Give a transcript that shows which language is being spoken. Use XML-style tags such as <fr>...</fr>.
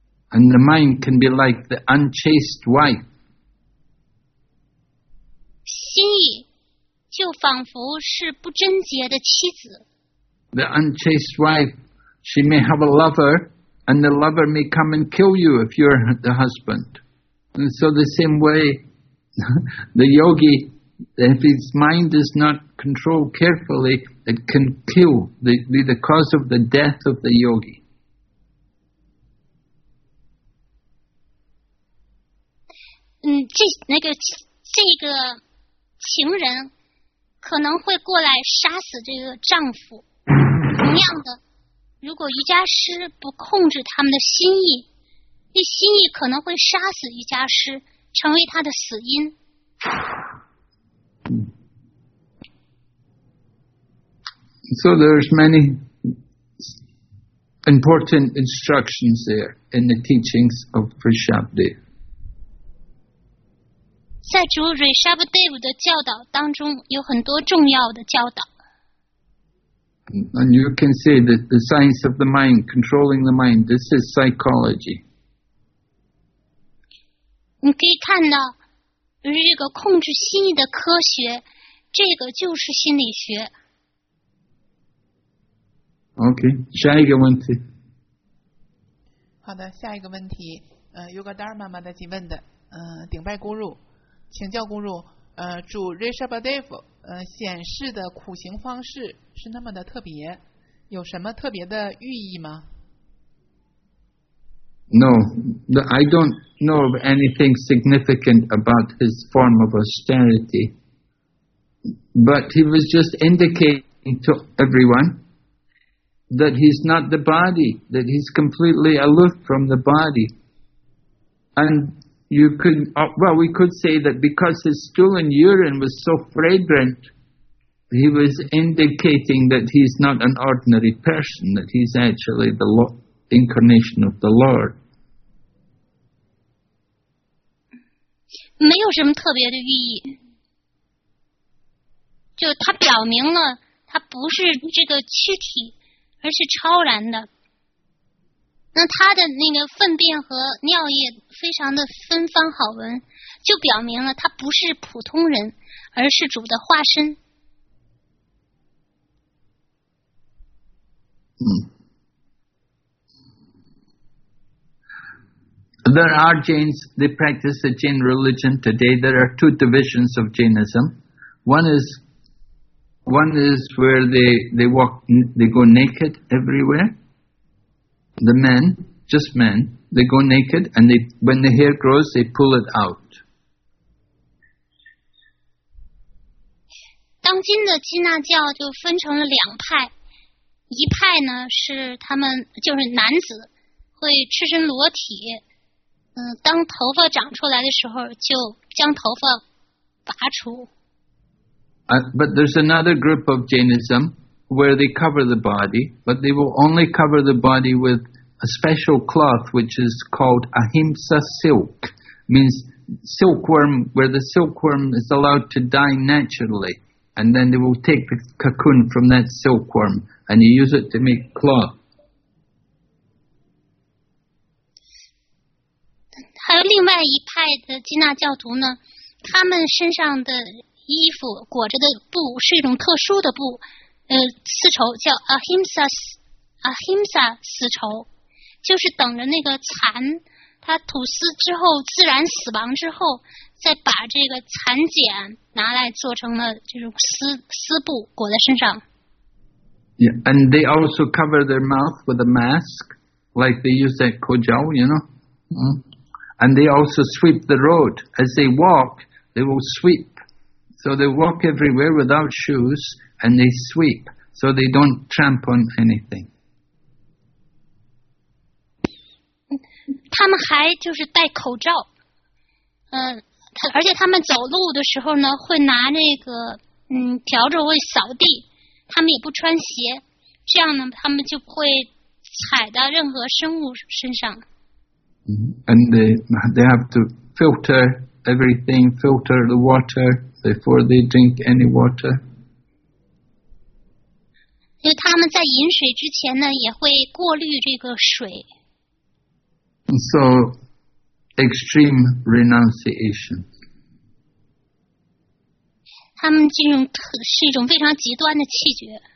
<en>And the mind can be like the unchaste wife.</en> <zh>心意就仿佛是不贞洁的妻子。</zh> <en>The unchaste wife, she may have a lover, and the lover may come and kill you if you're the husband. And so the same way, the yogi, if his mind is not controlled carefully, it can kill, be the cause of the death of the yogi.</en> <zh>这个情人可能会过来杀死这个丈夫。同样的，如果瑜伽师不控制他们的心意，那心意可能会杀死瑜伽师，成为他的死因。</zh> <en>So there's many important instructions there in the teachings of Rishabhdev.</en> <zh>在主 Rishabhdev 的教导当中，有很多重要的教导。</zh> <en>And you can say that the science of the mind, controlling the mind, this is psychology.</en> <zh>你可以看到，这个控制心意的科学，这个就是心理学。 Okay, 下一个问题。好的，下一个问题，Yogadhar 妈妈的提问的，顶拜咕噜，请教咕噜，主 Rishabhdev。显示的苦行方式是那么的特别，有什么特别的寓意吗？</zh> <en>No, I don't know of anything significant about his form of austerity. But he was just indicating to everyone that he's not the body, that he's completely aloof from the body. And you could, well, we could say that because his stool and urine was so fragrant, he was indicating that he's not an ordinary person, that he's actually the incarnation of the Lord.</en> <zh>没有什么特别的寓意，就他表明了他不是这个躯体，而是超然的。那他的那个粪便和尿液非常的芬芳好闻，就表明了他不是普通人，而是主的化身。</zh> <en>There are Jains, they practice the Jain religion today. There are two divisions of Jainism. One is where they go naked everywhere. The men, just men, they go naked, and when the hair grows, they pull it out.</en> <zh>当今的基纳教就分成了两派，一派呢是他们就是男子会赤身裸体，当头发长出来的时候就将头发拔除。</zh> <en>But there's another group of Jainism where they cover the body, but they will only cover the body with a special cloth which is called Ahimsa silk. Means silkworm, where the silkworm is allowed to die naturally. And then they will take the cocoon from that silkworm and you use it to make cloth.</en> <zh>还有另外一派的基纳教徒呢，他们身上的衣服裹着的布是一种特殊的布，丝绸叫 Ahimsa 丝绸，就是等着那个蚕它吐丝之后自然死亡之后，再把这个蚕茧拿来做成了这种 丝布裹在身上。</zh> <en>Yeah, and they also cover their mouth with a mask like they use at Kojal, you know、And they also sweep the road. As they walk, they will sweep. So they walk everywhere without shoes, and they sweep, so they don't tramp on anything.</en> <zh>他们还就是戴口罩，而且他们走路的时候呢，会拿那个笤帚会扫地。他们也不穿鞋，这样呢，他们就不会踩到任何生物身上。</zh> <en>And they have to filter everything, filter the water before they drink any water.</en> <zh>因为他们在饮水之前呢，也会过滤这个水。</zh> <en>So, extreme renunciation.</en> <zh>他们这种是一种非常极端的气绝。</zh>